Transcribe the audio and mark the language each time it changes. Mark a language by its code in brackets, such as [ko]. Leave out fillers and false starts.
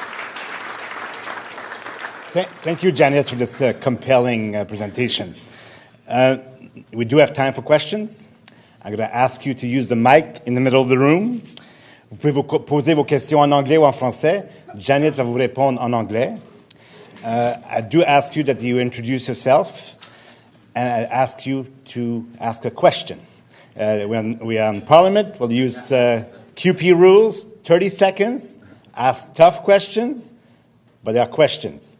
[en] Thank you, Janice, for this compelling presentation. We do have time for questions. I'm going to ask you to use the mic in the middle of the room. [fr] Vous pouvez vous poser vos questions en anglais ou en français. Janice va vous répondre en anglais. [en] I do ask you that you introduce yourself, and I ask you to ask a question. When we are in Parliament, we'll use QP rules, 30 seconds, ask tough questions. But there are questions.